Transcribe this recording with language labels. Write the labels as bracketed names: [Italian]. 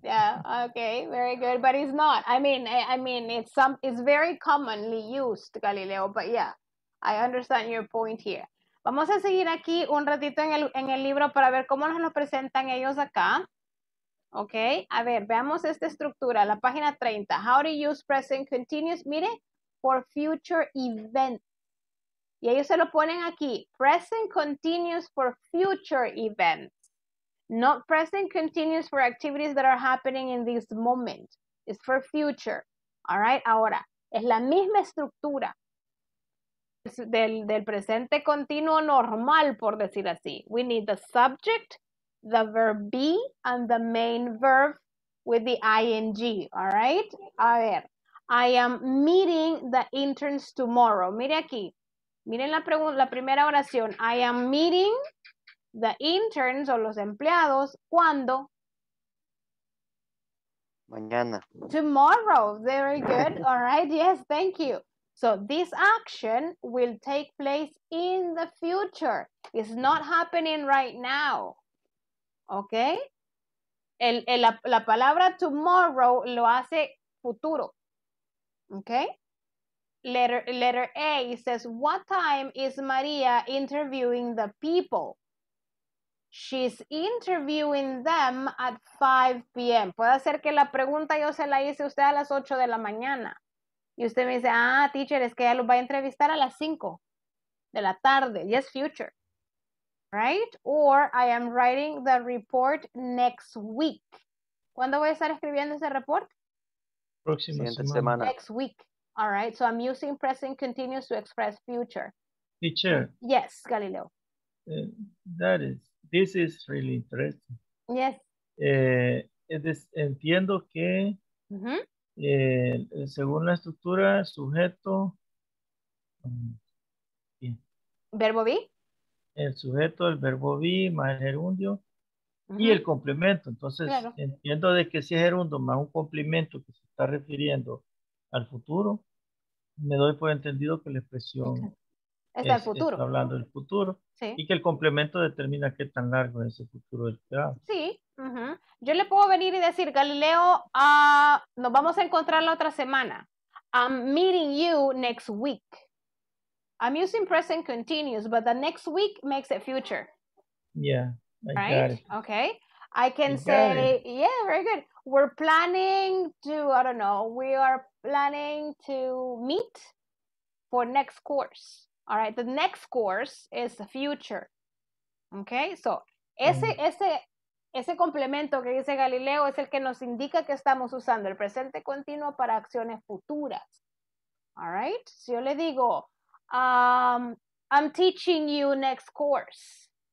[English] Yeah. Okay. Very good. But it's not. I mean, it's very commonly used, Galileo. But yeah, I understand your point here. [Spanish] Vamos a seguir aquí un ratito en el libro para ver cómo nos lo presentan ellos acá. Ok, a ver, veamos esta estructura, la página 30. [English] How to use present continuous, mire, for future events. [Spanish] Y ellos se lo ponen aquí, [English] present continuous for future events. Not present continuous for activities that are happening in this moment. It's for future. All right, [Spanish] ahora, es la misma estructura del presente continuo normal, por decir así. [English] We need the subject, the verb be, and the main verb with the ing, all right? [Spanish] A ver, [English] I am meeting the interns tomorrow. [Spanish] Mire aquí, miren la primera oración. [English] I am meeting the interns [Spanish] o los empleados, ¿cuándo? Mañana. [English] Tomorrow, very good, all right? Yes, thank you. So this action will take place in the future. It's not happening right now. ¿Ok? [Spanish] La palabra tomorrow lo hace futuro. ¿Ok? [English] Letter A says, what time is Maria interviewing the people? She's interviewing them at 5 p.m. [Spanish] Puede ser que la pregunta yo se la hice a usted a las 8 de la mañana. Y usted me dice, teacher, es que ella los va a entrevistar a las 5 de la tarde. [English] Yes, future. Right? Or I am writing the report next week. [Spanish] ¿Cuándo voy a estar escribiendo ese report? Próxima semana. [English] Next week. All right. So I'm using present continuous to express future. Teacher. Yes, Galileo. This is really interesting. Yes. [Spanish] Entiendo que según la estructura, sujeto. Verbo be. El sujeto, el verbo be, más el gerundio. y el complemento. Entonces, claro, entiendo de que si es gerundo más un complemento que se está refiriendo al futuro, me doy por entendido que la expresión es del futuro. Está hablando del futuro. Sí. Y que el complemento determina qué tan largo es el futuro del esperado. Sí. Uh-huh. Yo le puedo venir y decir, Galileo, nos vamos a encontrar la otra semana. [English] I'm meeting you next week. I'm using present continuous, but the next week makes it future. Yeah. I right? Okay. I can you say, yeah, very good. We're planning to, I don't know, we are planning to meet for next course. All right, the next course is the future. Okay, so [Spanish] ese complemento que dice Galileo es el que nos indica que estamos usando el presente continuo para acciones futuras. [English] All right, [Spanish] si yo le digo, [English] I'm teaching you next course.